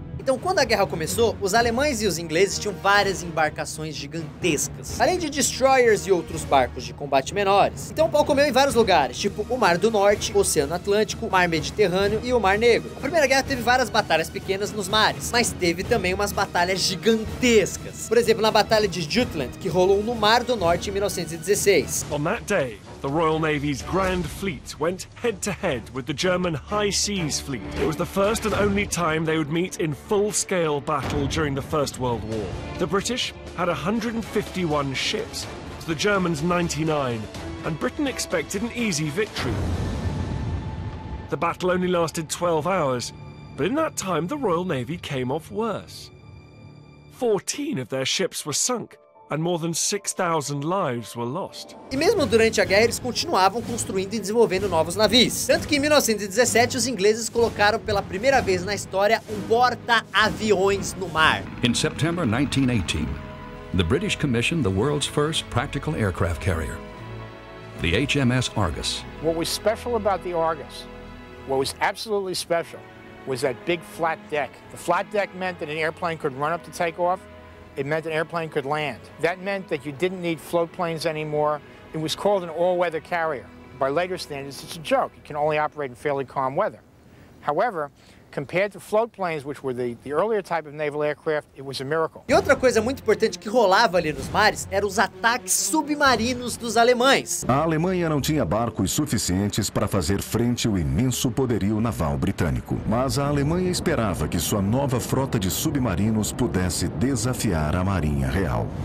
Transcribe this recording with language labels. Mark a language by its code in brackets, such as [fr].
[pt] Então, quando a guerra começou, os alemães e os ingleses tinham várias embarcações gigantescas, além de destroyers e outros barcos de combate menores. Então, o pau comeu em vários lugares, tipo o Mar do Norte, o Oceano Atlântico, o Mar Mediterrâneo e o Mar Negro. A Primeira Guerra teve várias batalhas pequenas nos mares, mas teve também umas batalhas gigantescas. Por exemplo, na Batalha de Jutland, que rolou no Mar do Norte em 1916. [en] On that day, the Royal Navy's Grand Fleet went head-to-head with the German High Seas Fleet. It was the first and only time they would meet in full-scale battle during the First World War. The British had 151 ships to the Germans 99, and Britain expected an easy victory. The battle only lasted 12 hours, but in that time the Royal Navy came off worse. 14 of their ships were sunk, and more than 6,000 lives were lost. [pt] E mesmo durante a guerra, eles continuavam construindo e desenvolvendo novos navios. Tanto que em 1917, os ingleses colocaram pela primeira vez na história um porta-aviões no mar. [en] In September 1918, the British commissioned the world's first practical aircraft carrier, the HMS Argus. What was special about the Argus, what was absolutely special, was that big flat deck. The flat deck meant that an airplane could run up to take off. It meant an airplane could land. That meant that you didn't need float planes anymore. It was called an all-weather carrier. By later standards, it's a joke. It can only operate in fairly calm weather. However, compared to float planes, which were the earlier type of naval aircraft, it was a miracle. [pt] E outra coisa muito importante que rolava ali nos mares eram os ataques submarinos dos alemães. A Alemanha não tinha barcos suficientes para fazer frente ao imenso poderio naval britânico. Mas a Alemanha esperava que sua nova frota de submarinos pudesse desafiar a Marinha Real.